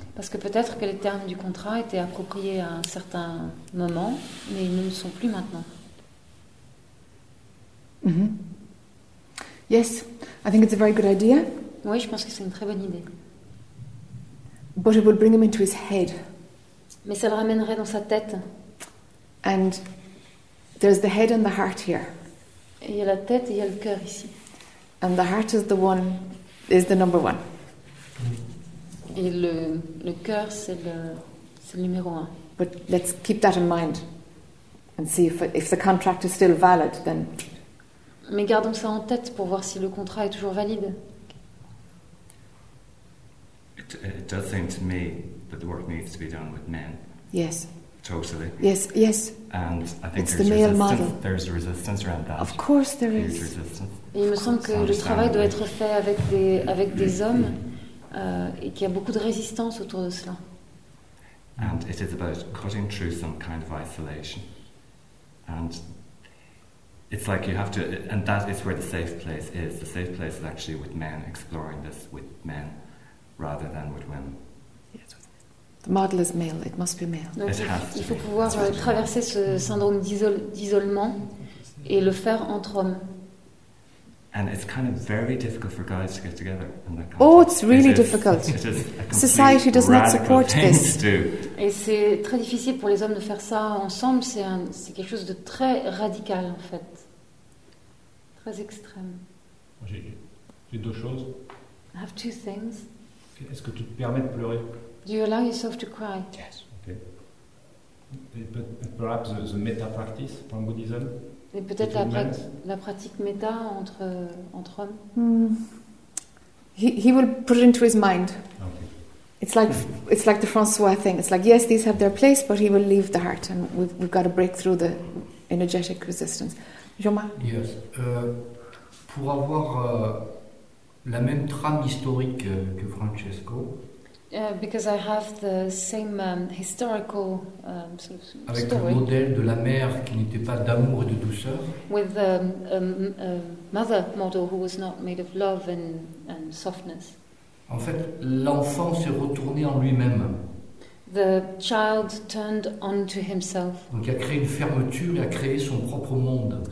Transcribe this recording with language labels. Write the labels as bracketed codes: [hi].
[fr] Parce que peut-être que les termes du contrat étaient appropriés à un certain moment, mais ils ne le sont plus maintenant. Mm-hmm. [en] Yes, I think it's a very good idea. [fr] Oui, je pense que c'est une très bonne idée. [en] But it would bring him into his head. [fr] Mais ça le ramènerait dans sa tête. [en] And there's the head and the heart here. [fr] Et il y a la tête et il y a le cœur ici. [en] And the heart is the one, is the number one. [fr] Et le cœur, c'est le numéro un. [en] But let's keep that in mind and see if the contract is still valid, then. [fr] Mais gardons ça en tête pour voir si le contrat est toujours valide. [en] It does seem to me that the work needs to be done with men. Yes. Totally. Yes, yes. And I think it's the male model. There's a resistance around that. Of course there huge Huge resistance. [fr] Et il me semble que le travail doit être fait avec des hommes et qu'il y a beaucoup de résistance autour de cela. [en] And it is about cutting through some kind of isolation. And it's like you have to, and that is where the safe place is. The safe place is actually with men, exploring this with men rather than with women. The model is male, it must be male. [fr] Donc, [en] it has to [fr] il faut [en] be. [fr] Pouvoir traverser ce syndrome d'isolement et le faire entre hommes. [en] And it's kind of very difficult for guys to get together. Oh, it's really difficult. It is society does not support this. [fr] Et c'est très difficile pour les hommes de faire ça ensemble. C'est quelque chose de très radical, en fait. Très extrême. J'ai deux choses. [en] I have two things. [fr] Est-ce que tu te permets de pleurer? [en] Do you allow yourself to cry? Yes. Okay. But perhaps the meta practice from Buddhism? [fr] Et peut-être la pratique méta entre hommes. [en] He will put it into his mind. Okay. It's like the François thing. It's like yes, these have their place, but he will leave the heart, and we've got to break through the energetic resistance. Jean-Marc. Yes. [fr] Pour avoir la même trame historique que Francesco. [en] Because I have the same historical sort of [fr] avec [en] story. [fr] Avec le modèle de la mère qui n'était pas d'amour et de douceur. [en] With a mother model who was not made of love and softness. [fr] En fait, l'enfant s'est retourné en lui-même. [en] The child turned onto himself. [fr] Donc, il a créé une fermeture et a créé son propre monde.